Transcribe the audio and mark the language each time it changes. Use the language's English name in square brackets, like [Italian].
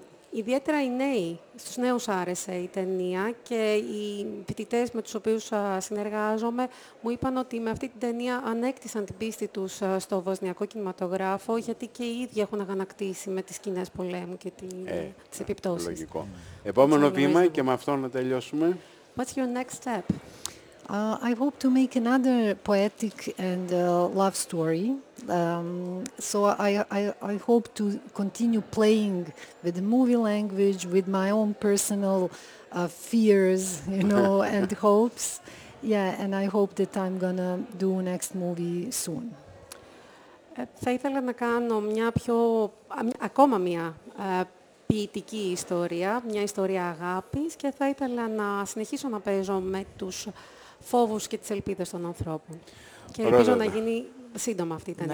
[Greek] Ιδιαίτερα οι νέοι, στους νέους άρεσε η ταινία και οι φοιτητές με τους οποίους συνεργάζομαι μου είπαν ότι με αυτή την ταινία ανέκτησαν την πίστη τους στο βοσνιακό κινηματογράφο γιατί και οι ίδιοι έχουν αγανακτήσει με τις σκηνές πολέμου και τις επιπτώσεις. Λογικό. Επόμενο βήμα και με αυτό να τελειώσουμε. [English] What's your next step? I hope to make another poetic and love story. So I hope to continue playing with the movie language, with my own personal fears, you know, and hopes. Yeah, and I hope that I'm gonna do next movie soon. [Greek] Θα ήθελα να κάνω ακόμα μια ποιητική ιστορία, μια ιστορία αγάπης και θα ήθελα να συνεχίσω να παίζω με τους φόβους και τις ελπίδες των ανθρώπων. Και ελπίζω να γίνει σύντομα αυτή η ταινία.